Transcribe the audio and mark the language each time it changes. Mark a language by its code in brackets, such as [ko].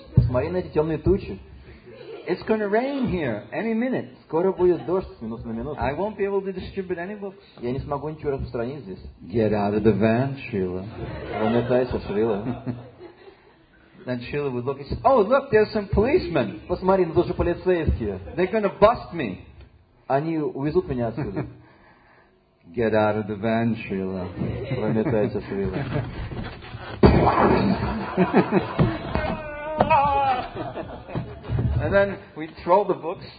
[ru] Посмотри на эти темные тучи. [en] It's going to rain here any minute. [ru] Скоро будет дождь с минуты на минуту. [en] I won't be able to distribute any books. [ru] Я не смогу ничего распространить здесь. [en] Get out of the van, Шрила. [ru] Выметайся, Шрила. [en] Then Srila would look and say, oh, look, there's some policemen. [ru] Посмотри, ну тут же полицейские. [en] They're going to bust me. [ru] Они увезут меня отсюда. [en] Get out of the van, Srila. [ru] Выметайся, Srila. [en] And then we throw the books.